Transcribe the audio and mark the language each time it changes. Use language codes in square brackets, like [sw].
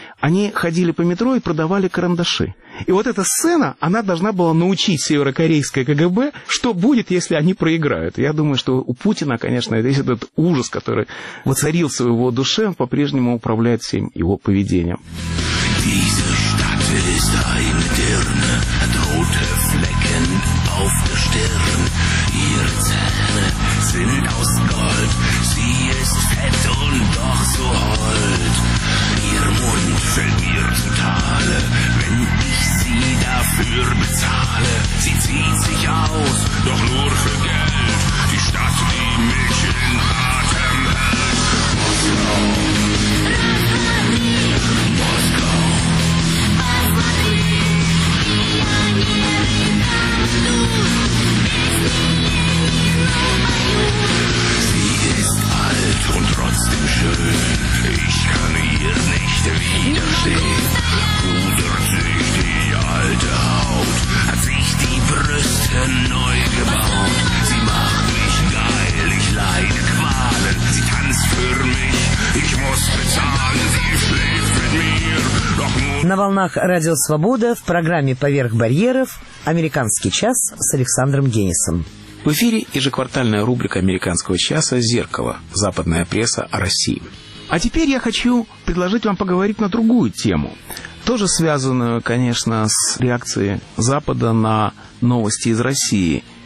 [ru] Они ходили по метро и продавали карандаши. И вот эта сцена, она должна была научить северокорейское КГБ, что будет, если они проиграют. Я думаю, что у Путина, конечно, весь этот ужас, который воцарился в его душе, он по-прежнему управляет всем его поведением. [de] Auf der Stirn, ihre Zähne sind aus Gold, sie ist fett und doch so hold. Ihr Mund verliert die Tale, wenn ich sie dafür bezahle. Sie zieht sich aus, doch nur für Geld, die Stadt, die mich in Atem hält. Moskau, Moskau, sie ist alt und trotzdem schön, ich kann ihr nicht widerstehen. Pudert sich die alte Haut, hat sich die Brüste neu gebaut. Sie macht mich geil, ich leide Qualen, sie tanzt für mich, ich muss bezahlen, sie schläft mit mir. [ru] На волнах Радио Свобода в программе «Поверх барьеров» «Американский час» с Александром Генисом. В эфире ежеквартальная рубрика «Американского часа. Зеркало. Западная пресса о России». А теперь я хочу предложить вам поговорить на другую тему, тоже связанную, конечно, с реакцией Запада на новости из России.